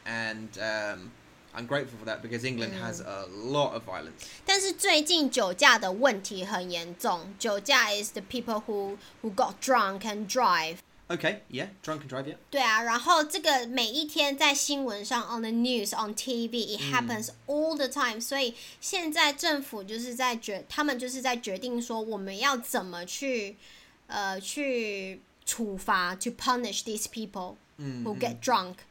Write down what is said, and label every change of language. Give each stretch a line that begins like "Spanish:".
English: And I'm grateful for that because England has a lot of violence.
Chinese: 但是最近酒驾的问题很严重。
English: 酒驾 is the people who got drunk and drive. Okay, yeah, drunk and drive, yeah.
Chinese: 对啊，然后这个每一天在新闻上
English: on the news, on TV, it happens all the time.
Chinese: 所以现在政府就是在决，他们就是在决定说我们要怎么去，去处罚
English: to punish these people who get drunk.